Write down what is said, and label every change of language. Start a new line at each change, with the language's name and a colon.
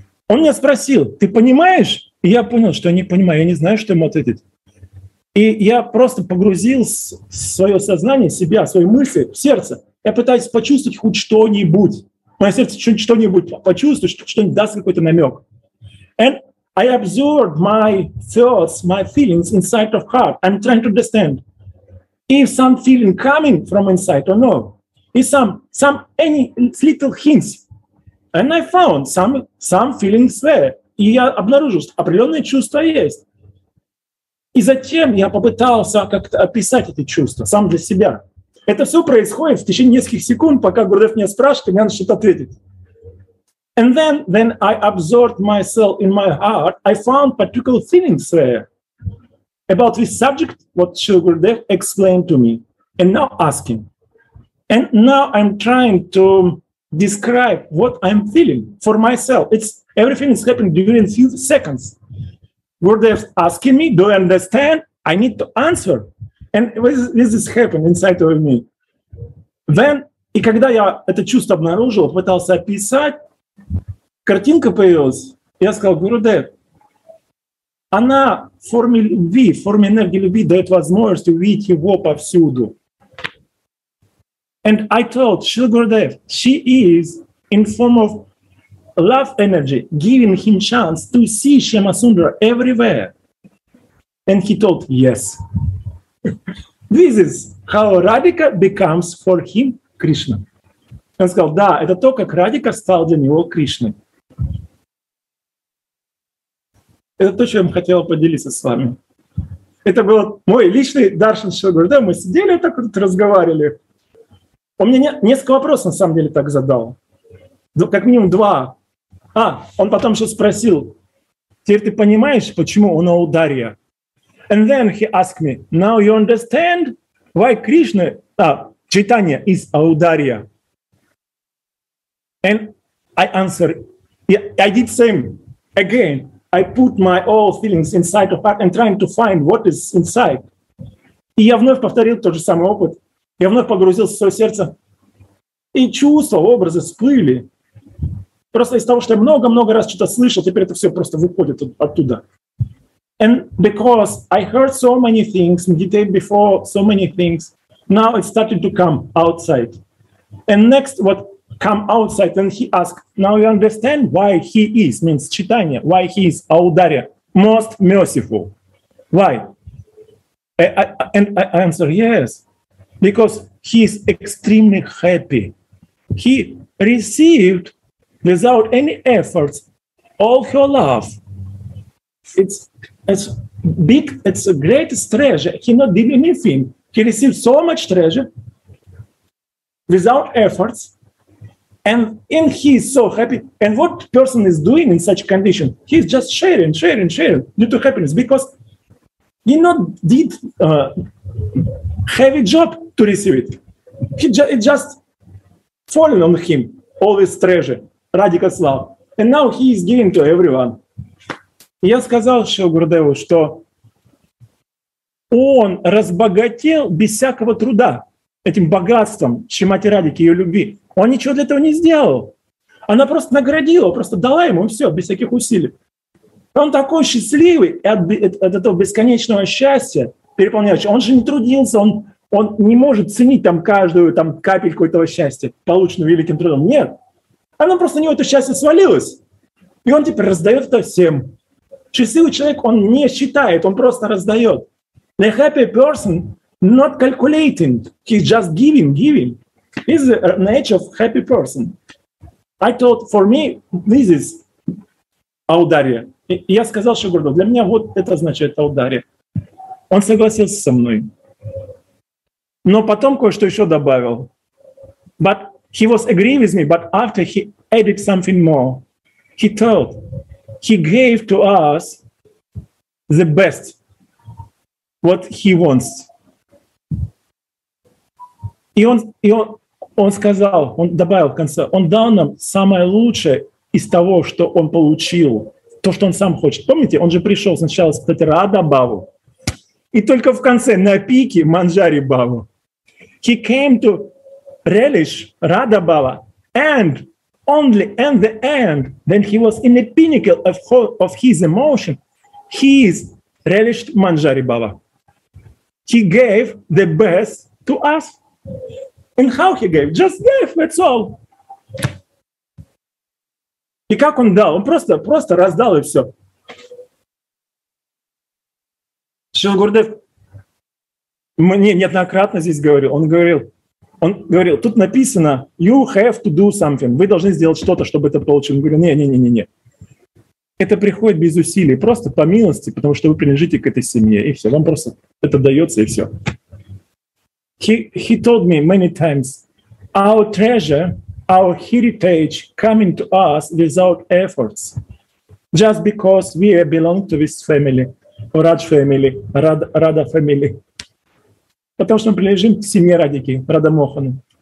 Russian: Он меня спросил, ты понимаешь? И я понял, что я не понимаю, я не знаю, что ему ответить. И я просто погрузил свое сознание, себя, свои мысли в сердце. Я пытаюсь почувствовать хоть что-нибудь. Мое сердце что-нибудь почувствует, что-нибудь даст какой-то намек.
English: And I observed my thoughts, my feelings inside of heart. I'm trying to understand if some feeling coming from inside or no. If some any little hints. And I found some feelings there.
Russian: И я обнаружил, что определенные чувства есть. И затем я попытался как-то описать эти чувства сам для себя. Это все происходит в течение нескольких секунд, пока Гурдев меня спрашивает, и мне надо что-то ответить.
English: And then I absorbed myself in my heart. I found particular feelings there about this subject, what Shri Gurdev explained to me, and now asking. And now I'm trying to describe what I'm feeling for myself. It's everything is happening during a few seconds. Gurdev asking me, do I understand? I need to answer. And this is happening inside of me. Then,
Russian: и когда я это чувство обнаружил, пытался описать, картинка появилась. Я сказал, Гурудев, она в форме любви, в форме энергии любви дает возможность увидеть его повсюду.
English: And I told Shri Gurudev, she is in form of love energy, giving him chance to see Shyama Sundara everywhere. And he told, yes. This is how Radhika becomes for him Krishna.
Russian: Он сказал, да, это то, как Радика стал для него Кришной. Это то, что я хотел поделиться с вами. Это был мой личный даршан Шри Гурудев. Мы сидели и так вот разговаривали. Он мне несколько вопросов на самом деле так задал. Как минимум два. А, он потом еще спросил, теперь ты понимаешь, почему он Аударья?
English: And then he asked me, now you understand why Krishna, Chaitanya is Aударья? And I answer, yeah, I did same again. I put my all feelings inside of heart and trying to find what is inside.
Russian: И я вновь повторил тот же самый опыт. Я вновь погрузился в свое сердце. И чувства, образы всплыли. Просто из того, что я много-много раз что-то слышал, теперь это все просто выходит оттуда.
English: And because I heard so many things, meditate before so many things, now it started to come outside. And next, what come outside, and he asked, now you understand why he is, means Chaitanya, why he is Audarya, most merciful. Why? I answer, yes. Because he is extremely happy. He received, without any efforts, all her love. It's big, it's the greatest treasure. He not did anything. He received so much treasure without efforts. And he is so happy. And what person is doing in such condition? He's just sharing due to happiness. Because he not did a heavy job to receive it. It just fallen on him, all this treasure, Radhika's love. And now he is giving to everyone.
Russian: Я сказал Шри Гурудеву, что он разбогател без всякого труда этим богатством Шримати Радики, ее любви. Он ничего для этого не сделал. Она просто наградила, просто дала ему все, без всяких усилий. Он такой счастливый от этого бесконечного счастья, переполняющего. Он же не трудился, он не может ценить там каждую там, капельку этого счастья, полученную великим трудом. Нет. Она просто на него это счастье свалилось. И он теперь раздает это всем. Счастливый человек, он не считает, он просто раздает.
English: The happy person not calculating, he's just giving. He's the nature of happy person. I thought, for me, this is Audarya.
Russian: Я сказал Шри Гурудеву, для меня вот это означает Audarya. Он согласился со мной. Но потом кое-что еще добавил.
English: But he was agreeing with me, but after he added something more, he told, he gave to us the best, what he wants.
Russian: И он сказал, он добавил в конце, он дал нам самое лучшее из того, что он получил, то, что он сам хочет. Помните, он же пришел сначала с Патирада Бхаву, и только в конце, на пике, Манджари Бхаву.
English: He came to relish Radha Bhava and only in the end, when he was in the pinnacle of his emotion, he is relished Manjari Bhava. He gave the best to us. And how he gave? Just gave, that's all.
Russian: И как он дал? Он просто раздал и все. Шрила Гурудев мне неоднократно здесь говорил. Он говорил, тут написано,
English: you have to do something.
Russian: Вы должны сделать что-то, чтобы это получилось. Он говорил, не. Это приходит без усилий, просто по милости, потому что вы принадлежите к этой семье, и все. Вам просто это дается, и все.
English: He told me many times, our treasure, our heritage coming to us without efforts, just because we belong to this family, Raj family, Radha family.
Russian: Потому что мы принадлежим к семье Радики, Радха Мохан.